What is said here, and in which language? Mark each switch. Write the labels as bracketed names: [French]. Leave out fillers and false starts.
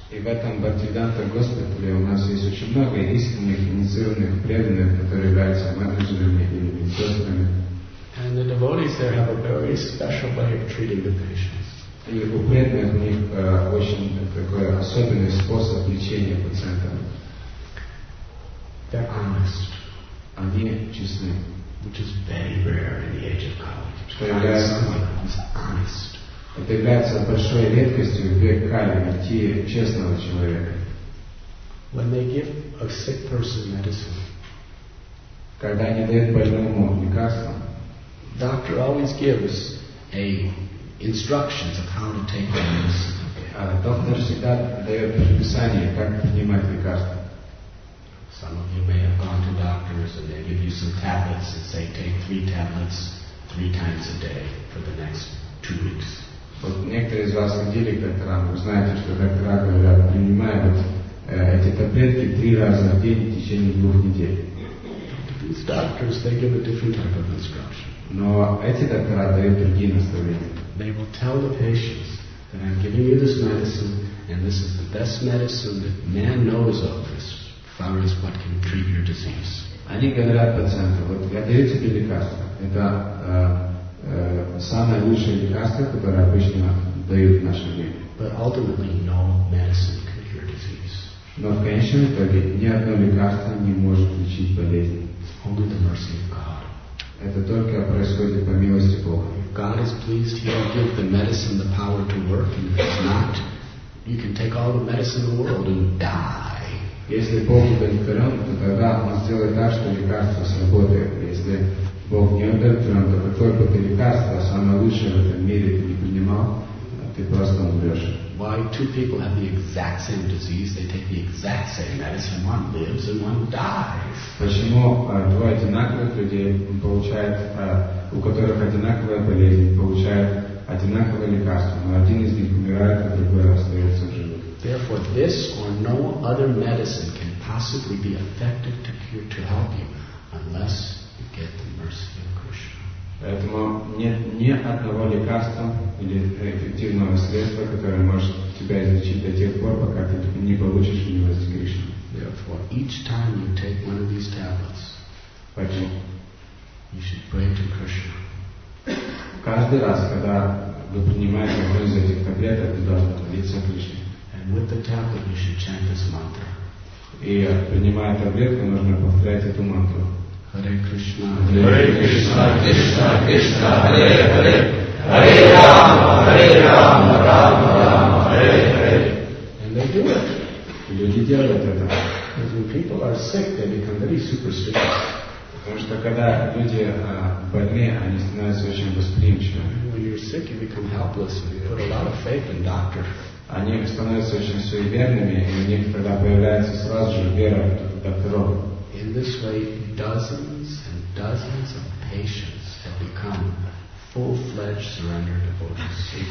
[Russian] И в этом Бхактивиданта госпитале у нас есть очень много искренних, инициированных, преданных, которые являются менеджерами или медсестрами. [English] And the devotees there have a very special way of treating the patients. [Russian] И у преданных у них очень такой особенный способ лечения пациента. [English] They're honest. [Russian] Они честны. [English] Which is very rare in the age of Kali. Someone who's honest. [Russian] Это является большой редкостью в век Кали, найти честного человека. [English] When they give a sick person medicine, [Russian] когда они дают больному лекарство, [English] doctor always gives a instructions of how to take the medicine. [Russian] Доктор всегда дает предписание, как принимать лекарство. [English] Some of you may have gone to doctors and they give you some tablets and say take 3 tablets 3 times a day for the next 2 weeks. [Russian] Вот некоторые из вас ходили к докторам, вы знаете, что доктора говорят, принимай вот эти таблетки 3 раза в день в течение 2 недель. [English] These doctors, they give a different type of instruction. [Russian] Но эти доктора дают другие наставления. [English] They will tell the patients that I'm giving you this medicine and this is the best medicine that man knows of this. Far as what can treat your disease. [Russian] Они говорят пациенту, вот я даю тебе лекарство. Это самое лучшее лекарство, которое обычно дают в наше время. [English] But ultimately, no medicine can cure disease. [Russian] Но в конечном итоге ни одно лекарство не может лечить болезнь. [English] It's only the mercy of God. [Russian] Это только происходит по милости Бога. [English] If God is pleased, He will give the medicine the power to work, and if it's not, you can take all the medicine in the world and die. [Russian] Если Бог удовлетворен, то тогда Он сделает так, что лекарство сработает. Если Бог не удовлетворен, то какое бы ты лекарство, самое лучшее в этом мире, ты не принимал, ты просто умрешь. [English] Why two people have the exact same disease, they take the exact same medicine, one lives and one dies. [Russian] Почему двое одинаковых людей получают, у которых одинаковая болезнь, получают одинаковое лекарство, но один из них умирает, а другой остается жив. [English] Therefore, this or no other medicine can possibly be effective to cure, to help you, unless you get the mercy of Krishna. [Russian] Поэтому нет ни одного лекарства или эффективного средства, которое может тебя излечить до тех пор, пока ты не получишь милость Кришны. [English] Therefore, each time you take one of these tablets, you should pray to Krishna. [Russian] Каждый раз, когда вы принимаете одну из этих таблеток, ты должен молиться Кришне. [English] With the tablet, you should chant this mantra. [Russian] И принимая таблетку, нужно повторять эту мантру. [Sanskrit] Hare Krishna, Hare Krishna, Krishna Krishna, Hare Hare, Hare Rama, Hare Rama, Rama Rama, Hare Hare. [English] And they do it. [Russian] И люди делают это. [English] Because when people are sick, they become very superstitious. [Russian] Потому что когда люди больны, они становятся очень восприимчивыми. [English] When you're sick, you become helpless. You put a lot of faith in doctor. [Russian] Они становятся очень суеверными, и у них тогда появляется сразу же вера в докторов. [English] In this way, dozens and dozens of patients have become full-fledged surrender devotees.